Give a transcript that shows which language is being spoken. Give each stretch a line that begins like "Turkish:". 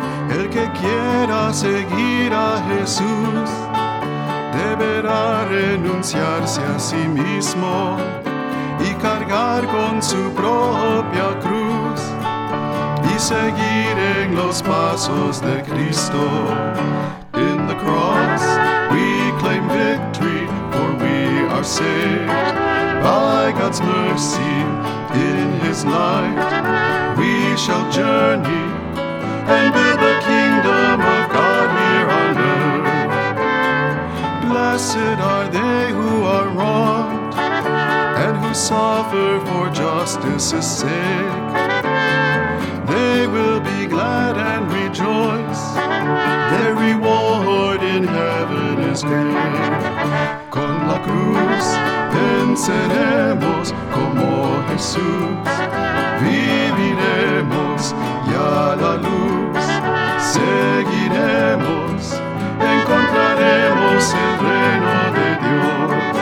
Spanish: El que quiera seguir a Jesús deberá renunciarse a sí mismo y cargar con su propia cruz y seguir en los pasos de Cristo.
English: In the cross we claim victory, for we are saved by God's mercy. In his light we shall journey and build the kingdom of God here on earth. Blessed are they who are wronged and who suffer for justice's sake. They will be glad and rejoice, their reward in heaven is great.
Spanish: Con la cruz venceremos como Jesús. Viviremos y a la luz seguiremos, encontraremos el reino de Dios.